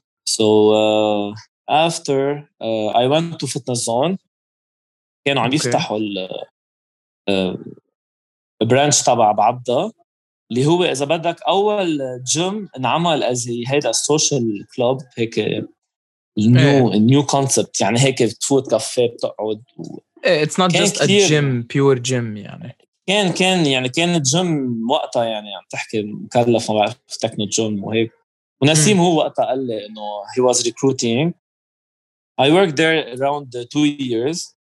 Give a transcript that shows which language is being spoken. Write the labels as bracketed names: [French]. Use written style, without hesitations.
[English] So after I went to fitness zone [Arabic] كانوا عم يفتحوا البرانش تبع بعبدة اللي هو إذا بدك أول جيم انعمل as هيدا [English] social club [Arabic] هيك [English] new concept [Arabic] يعني هيك بتفوت كافيه بتقعد [English] it's not just a gym pure gym [Arabic] يعني كان يعني كانت جيم وقتها يعني عم تحكي مكلف ما بعرف تكنو جيم وهيك ونسيم هو وقتها قال لي انه [English] he was recruiting I worked there around 2 years